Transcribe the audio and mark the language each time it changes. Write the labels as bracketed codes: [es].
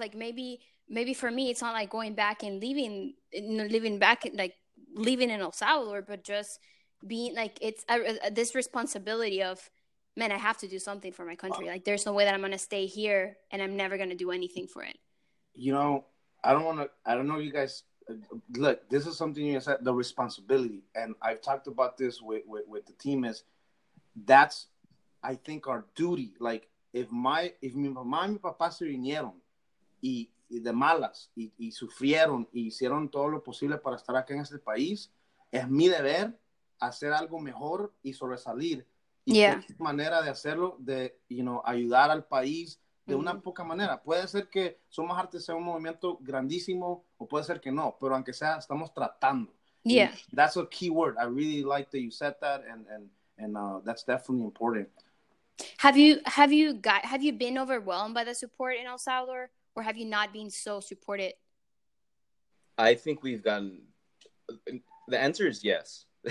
[en] Like maybe for me, it's not like going back and living in El Salvador, but just being like, it's this responsibility of, man, I have to do something for my country. Like, there's no way that I'm going to stay here and I'm never going to do anything for it. You know, I don't know if you guys, look, this is something you said, the responsibility. And I've talked about this with the team is, that's, I think, our duty. Like, if [es] mi mamá y mi papá se vinieron y de malas y sufrieron y hicieron todo lo posible para estar acá en este país, es mi deber hacer algo mejor y sobresalir. [en] Yeah. [es] Y cualquier manera de hacerlo, de, [en] you know, [es] ayudar al país de una poca manera. Puede ser que Somos Arte sea un movimiento grandísimo o puede ser que no, pero aunque sea, estamos tratando. [en] Yeah. And that's a key word. I really like that you said that and that's definitely important. Have you been overwhelmed by the support in El Salvador, or have you not been so supported? I think we've gotten, the answer is yes.